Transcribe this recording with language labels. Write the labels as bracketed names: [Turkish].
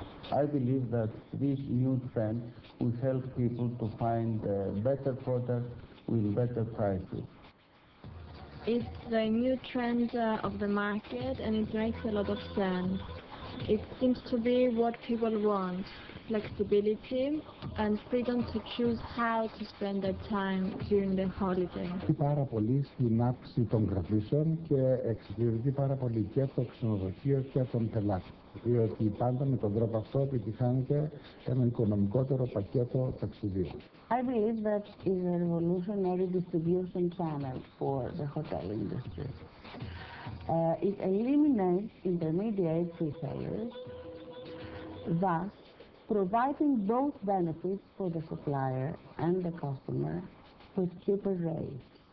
[English] I believe that this new trend will help people to find a better product with better prices. It's the new trend of the market, and it makes a lot of sense. It seems to be what people want: flexibility and freedom to choose how to spend their time during the holiday. [Greek] Πάρα πολύ στην αύξηση των κρατήσεων και εξυπηρετεί πάρα πολύ και το ξενοδοχείο και τον πελάτη. Διότι πάντα με τον τρόπο αυτό επιτυχάνεται ένα οικονομικότερο πακέτο ταξιδιού. [English] I believe that is a revolutionary distribution channel for the hotel industry. It eliminates intermediate resellers, thus providing both benefits for the supplier and the customer with cheaper rates.